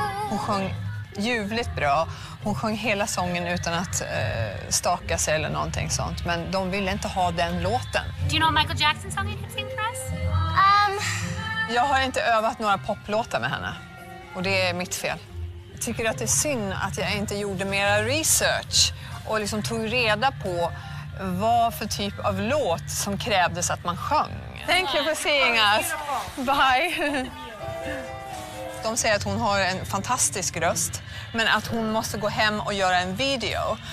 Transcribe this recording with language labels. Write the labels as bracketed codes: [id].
[sv] Hon sjöng ljuvligt bra. Hon sjöng hela sången utan att staka sig eller någonting sånt. Men de ville inte ha den låten. [en] Do you know Michael Jackson's song you can sing for us? [sv] Jag har inte övat några poplåtar med henne. Och det är mitt fel. Jag tycker att det är synd att jag inte gjorde mera research. Och liksom tog reda på vad för typ av låt som krävdes att man sjöng. [en] Thank you for seeing us. Bye. [sv] De säger att hon har en fantastisk röst, men att hon måste gå hem och göra en video.